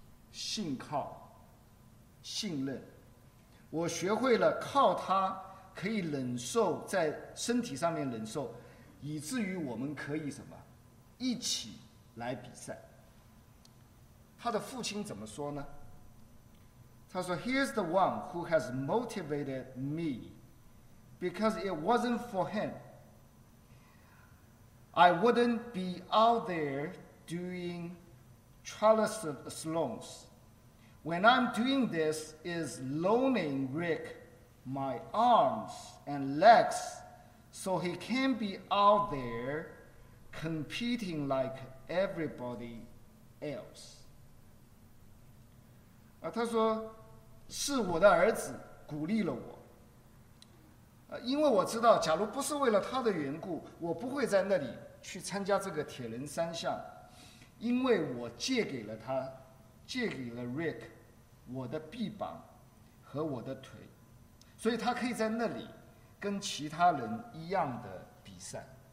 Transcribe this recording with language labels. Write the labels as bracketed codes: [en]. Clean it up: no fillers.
[zh] 信靠、信任。我学会了靠他。” 可以忍受在身体上面忍受，以至于我们可以什么一起来比赛。他的父亲怎么说呢？他说 [en] Here's the one who has motivated me because it wasn't for him I wouldn't be out there doing triathlons. When I'm doing this is loaning RickMy arms and legs so he can be out there competing like everybody else。 [zh] 他说是我的儿子鼓励了我，因为我知道假如不是为了他的缘故，我不会在那里去参加这个铁人三项，因为我借给了 Rick 我的臂膀和我的腿，所以他可以在那里跟其他人一样的比赛。